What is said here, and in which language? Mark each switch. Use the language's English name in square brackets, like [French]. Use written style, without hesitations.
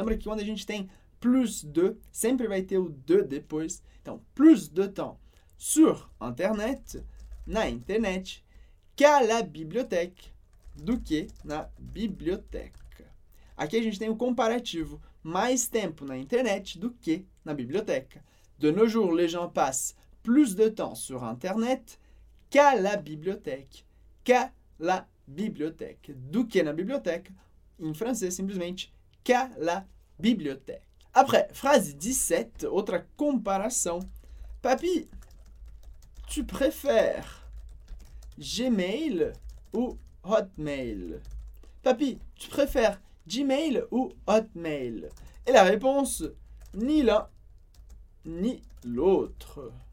[Portuguese] Lembra que quando a gente tem [French] plus de, [Portuguese] sempre vai ter o de depois. [French] Então, plus de temps sur Internet, [Portuguese] na internet, [French] qu'à la bibliothèque, [Portuguese] do que na biblioteca. Aqui a gente tem o comparativo. Mais tempo na internet do que na biblioteca. [French] De nos jours, les gens passent plus de temps sur Internet qu'à la bibliothèque. Qu'à la bibliothèque. [Portuguese] Do que na biblioteca. Em francês, simplesmente, [French] qu'à la bibliothèque. Après, phrase 17, [Portuguese] outra comparação. [French] Papi, tu préfères Gmail ou Hotmail? Papi, tu préfères Gmail ou Hotmail? Et la réponse, ni l'un ni l'autre.